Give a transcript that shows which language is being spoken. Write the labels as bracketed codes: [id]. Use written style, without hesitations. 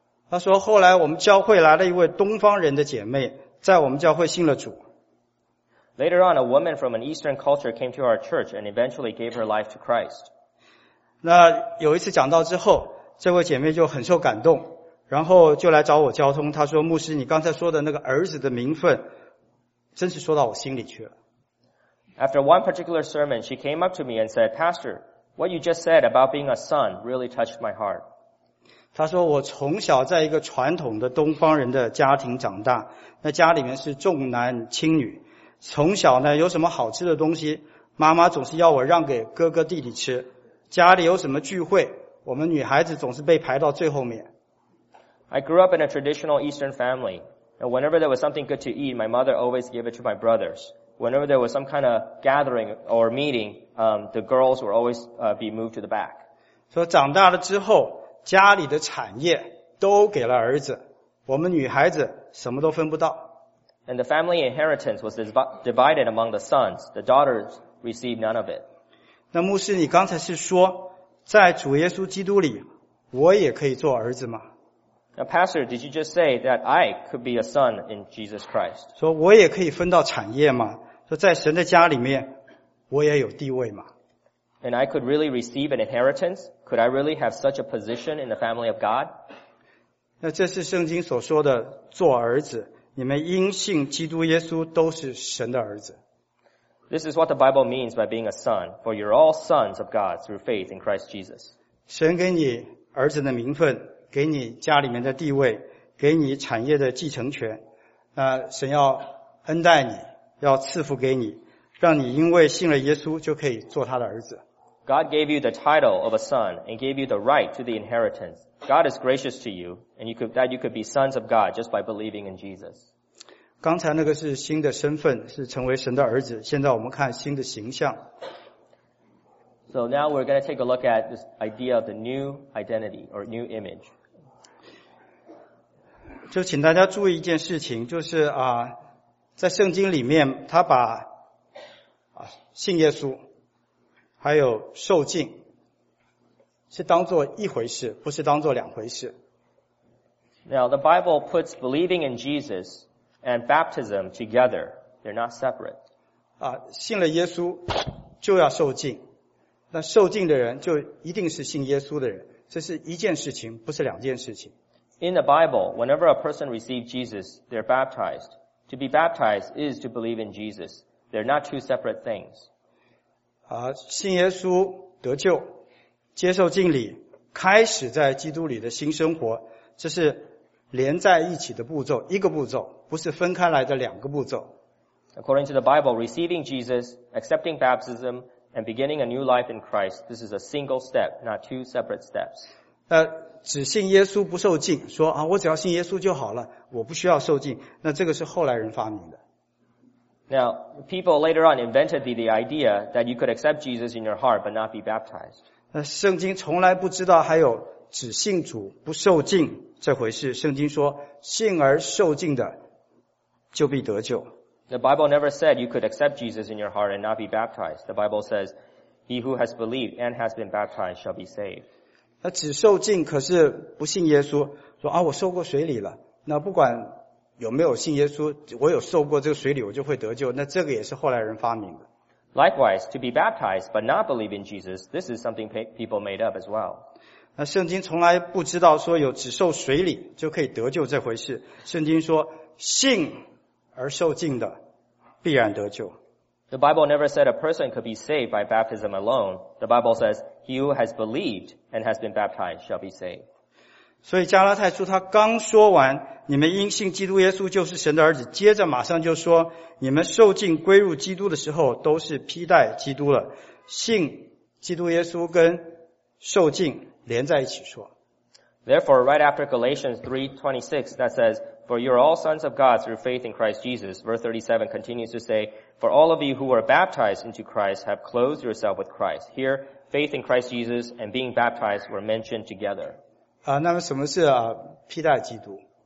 [zh] 他说后来我们教会来了一位东方人的姐妹，在我们教会信了主。 [en] Later on, a woman from an Eastern culture came to our church and eventually gave her life to Christ. [zh] 那有一次讲到之后，这位姐妹就很受感动，然后就来找我交通。她说，牧师，你刚才说的那个儿子的名分真是说到我心里去了。 [en] After one particular sermon, she came up to me and said, Pastor, what you just said about being a son really touched my heart. [zh] 他说我从小在一个传统的东方人的家庭长大，那家里面是重男轻女，从小呢有什么好吃的东西，妈妈总是要我让给哥哥弟弟吃，家里有什么聚会，我们女孩子总是被排到最后面。 [en] I grew up in a traditional Eastern family, and whenever there was something good to eat, my mother always gave it to my brothers. Whenever there was some kind of gathering or meeting, the girls would always be moved to the back. [zh] 说长大了之后家里的产业都给了儿子，我们女孩子什么都分不到。 [en] And the family inheritance was divided among the sons. The daughters received none of it. [zh] 那牧师，你刚才是说，在主耶稣基督里，我也可以做儿子吗？ [en] Now, Pastor, did you just say that I could be a son in Jesus Christ? [zh] 说我也可以分到产业吗？说在神的家里面，我也有地位吗？ [en] And I could really receive an inheritance? Could I really have such a position in the family of God? [zh] 那这是圣经所说的做儿子，你们因信基督耶稣都是神的儿子。 [en] This is what the Bible means by being a son, for you're all sons of God through faith in Christ Jesus. [zh] 神给你儿子的名分，给你家里面的地位，给你产业的继承权，那神要恩待你，要赐福给你。让你因为信了耶稣就可以做他的儿子。 [en] God gave you the title of a son and gave you the right to the inheritance. God is gracious to you, and you could, that you could be sons of God just by believing in Jesus. [zh] 刚才那个是新的身份，是成为神的儿子。现在我们看新的形象。 [en] So now we're going to take a look at this idea of the new identity or new image. [zh] 就请大家注意一件事情，就是啊，在圣经里面，他把啊信耶稣还有受浸是当作一回事，不是当作两回事。 [en] Now the Bible puts believing in Jesus and baptism together; they're not separate. [zh] 啊，信了耶稣就要受浸。那受浸的人就一定是信耶稣的人，这是一件事情，不是两件事情。 [en] In the Bible, whenever a person receives Jesus, they're baptized. To be baptized is to believe in Jesus. They're not two separate things. [zh] 啊，信耶稣得救，接受浸礼，开始在基督里的新生活，这是连在一起的步骤，一个步骤，不是分开来的两个步骤。 [en] According to the Bible, receiving Jesus, accepting baptism,and beginning a new life in Christ, this is a single step, not two separate steps. [zh] 只信耶稣不受浸，说啊，我只要信耶稣就好了，我不需要受浸。那这个是后来人发明的。 [en] Now, people later on invented the idea that you could accept Jesus in your heart but not be baptized. [zh] 圣经从来不知道还有只信主不受浸这回事。圣经说，信而受浸的就必得救。 [en] The Bible never said you could accept Jesus in your heart and not be baptized. The Bible says, he who has believed and has been baptized shall be saved. [zh] 那只受浸可是不信耶稣，说啊，我受过水礼了，那不管有没有信耶稣，我有受过这个水礼，我就会得救。那这个也是后来人发明的。 [en] Likewise, to be baptized but not believe in Jesus, this is something people made up as well. [zh] 那圣经从来不知道说有只受水礼就可以得救这回事。圣经说，信而受浸的必然得救。 [en] The Bible never said a person could be saved by baptism alone. The Bible says, he who has believed and has been baptized shall be saved. [zh] 所以加拉太书他刚说完，你们因信基督耶稣就是神的儿子，接着马上就说，你们受浸归入基督的时候都是披戴基督了。信基督耶稣跟受浸连在一起说。 [en] Therefore, right after Galatians 3:26, that says, For you are all sons of God through faith in Christ Jesus. Verse 37 continues to say, For all of you who were baptized into Christ have clothed yourself with Christ. Here, faith in Christ Jesus and being baptized were mentioned together. [zh] 那么什么是披戴基督？